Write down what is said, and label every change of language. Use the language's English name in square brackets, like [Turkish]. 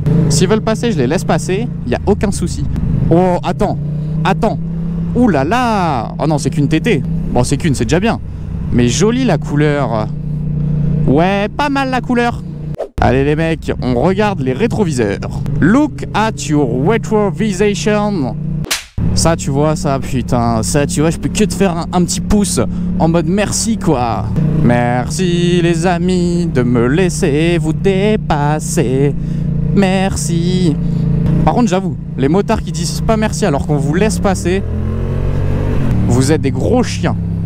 [French] S'ils veulent passer, je les laisse passer, y a aucun souci. Oh, attends, attends. Ouh là là! Oh non, c'est qu'une TT. Bon, c'est qu'une, c'est déjà bien. Mais jolie la couleur. Ouais, pas mal la couleur. Allez les mecs, on regarde les rétroviseurs. [English] Look at your retrovision. [French] Ça, tu vois, ça, putain, ça, tu vois, je peux que te faire un petit pouce en mode merci, quoi. Merci, les amis, de me laisser vous dépasser. Merci. Par contre, j'avoue, les motards qui disent pas merci alors qu'on vous laisse passer, vous êtes des gros chiens.